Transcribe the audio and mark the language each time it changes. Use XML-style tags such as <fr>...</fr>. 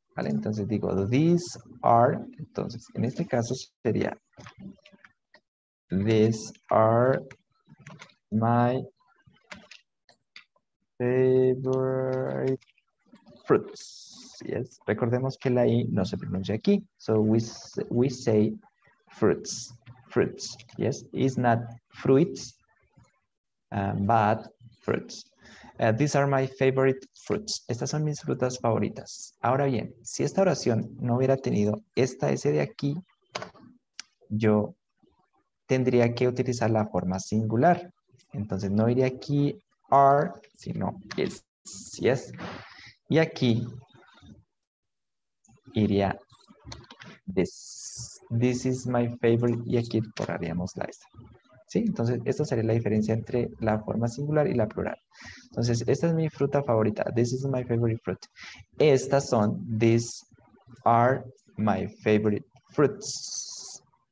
<es>¿Vale? Entonces digo, these are, entonces en este caso sería,</es> <en>these are my favorite fruits. Yes.</en> <es>Recordemos que la I no se pronuncia aquí.</es> <en>So we say fruits. Fruits. Yes. It's not fruits, but fruits. These are my favorite fruits.</en> <es>Estas son mis frutas favoritas. Ahora bien, si esta oración no hubiera tenido esta S de aquí, yo tendría que utilizar la forma singular. Entonces no iría aquí are, sino is. Yes. Y aquí iría</es> <en>this is my favorite,</en> <es>y aquí borraríamos la esta. ¿Sí? Entonces, esta sería la diferencia entre la forma singular y la plural. Entonces, esta es mi fruta favorita,</es> <en>this is my favorite fruit.</en> <es>Estas son,</es> <en>these are my favorite fruits.</en>